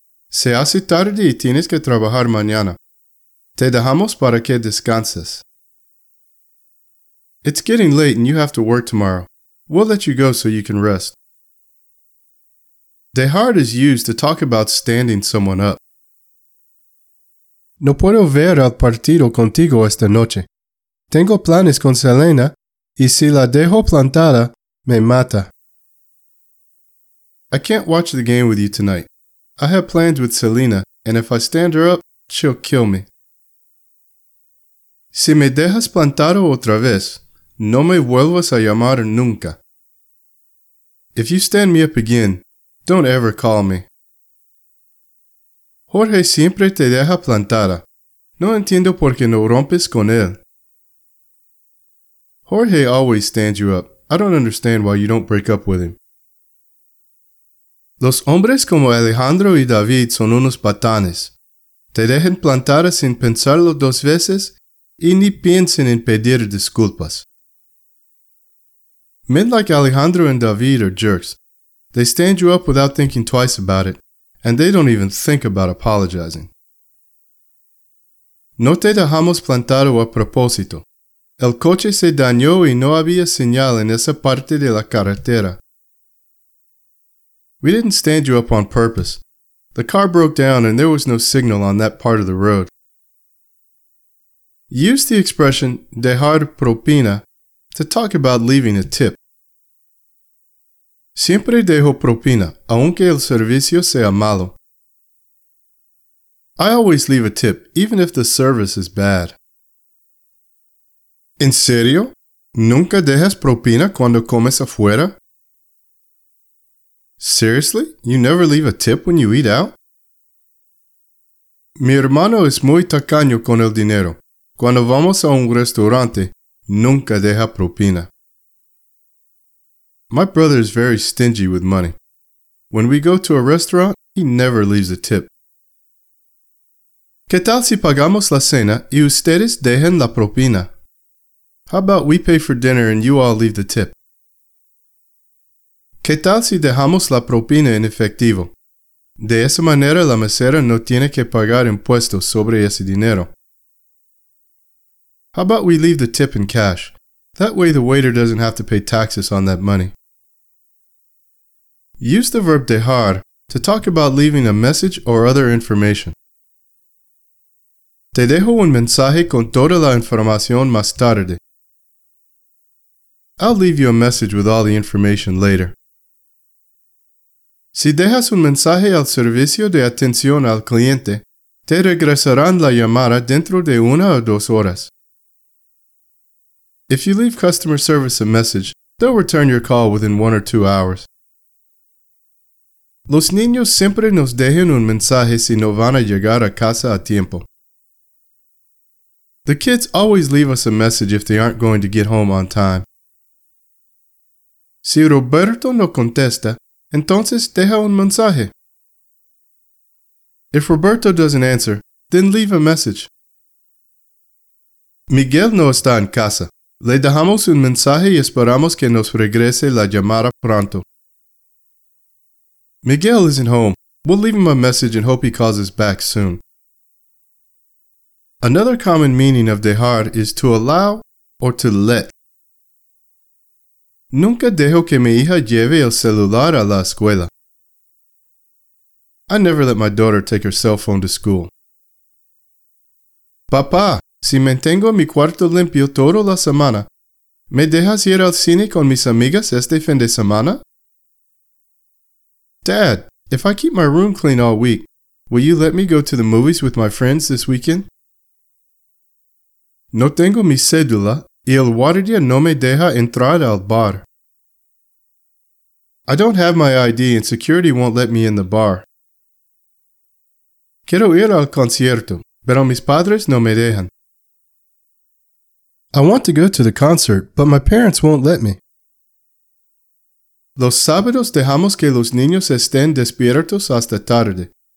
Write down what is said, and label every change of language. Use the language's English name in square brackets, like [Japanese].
[Spanish] Se hace tarde y tienes que trabajar mañana. Te dejamos para que descanses. [English] It's getting late and you have to work tomorrow. We'll let you go so you can rest. Dejar is used to talk about standing someone up. [Spanish] No puedo ver al partido contigo esta noche. Tengo planes con Selena, y si la dejo plantada, me mata. [English] I can't watch the game with you tonight. I have plans with Selena, and if I stand her up, she'll kill me. [Spanish] Si me dejas plantado otra vez, no me vuelvas a llamar nunca. [English] If you stand me up again, don't ever call me. [Spanish] Jorge siempre te deja plantada. No entiendo por qué no rompes con él. [English] Jorge always stands you up. I don't understand why you don't break up with him. [Spanish] Los hombres como Alejandro y David son unos patanes. Te dejan plantada sin pensarlo dos veces y ni piensen en pedir disculpas. [English] Men like Alejandro and David are jerks. They stand you up without thinking twice about it, and they don't even think about apologizing. [Spanish] No te dejamos plantado a propósito. El coche se dañó y no había señal en esa parte de la carretera. [English] We didn't stand you up on purpose. The car broke down and there was no signal on that part of the road. Use the expression dejar propina to talk about leaving a tip. [Spanish] Siempre dejo propina, aunque el servicio sea malo. [English] I always leave a tip, even if the service is bad. [Spanish] ¿En serio? ¿Nunca dejas propina cuando comes afuera? [English] Seriously? You never leave a tip when you eat out? [Spanish] Mi hermano es muy tacaño con el dinero. Cuando vamos a un restaurante, nunca deja propina. [English] My brother is very stingy with money. When we go to a restaurant, he never leaves a tip. [Spanish] ¿Qué tal si pagamos la cena y ustedes dejen la propina? [English] How about we pay for dinner and you all leave the tip? [Spanish] ¿Qué tal si dejamos la propina en efectivo? De esa manera la mesera no tiene que pagar impuestos sobre ese dinero. [English] How about we leave the tip in cash? That way the waiter doesn't have to pay taxes on that money. Use the verb dejar to talk about leaving a message or other information. [Spanish] Te dejo un mensaje con toda la información más tarde. [English] I'll leave you a message with all the information later. [Spanish] Si dejas un mensaje al servicio de atención al cliente, te regresarán la llamada dentro de una o dos horas. [English] If you leave customer service a message, they'll return your call within 1 or 2 hours. [Spanish] Los niños siempre nos dejan un mensaje si no van a llegar a casa a tiempo. [English] The kids always leave us a message if they aren't going to get home on time. [Spanish] Si Roberto no contesta, entonces deja un mensaje. [English] If Roberto doesn't answer, then leave a message. [Spanish] Miguel no está en casa. Le dejamos un mensaje y esperamos que nos regrese la llamada pronto. [English] Miguel isn't home. We'll leave him a message and hope he calls us back soon. Another common meaning of dejar is to allow or to let. [Spanish] Nunca dejo que mi hija lleve el celular a la escuela. [English] I never let my daughter take her cell phone to school. [Spanish] Papá, si mantengo mi cuarto limpio toda la semana, ¿me dejas ir al cine con mis amigas este fin de semana? [English] Dad, if I keep my room clean all week, will you let me go to the movies with my friends this weekend? [Spanish] No tengo mi cédula y el guardia no me deja entrar al bar. [English] I don't have my ID and security won't let me in the bar. [Spanish] Quiero ir al concierto, pero mis padres no me dejan. [English] I want to go to the concert, but my parents won't let me. [Spanish] Los sábados dejamos que los niños estén despiertos hasta tarde.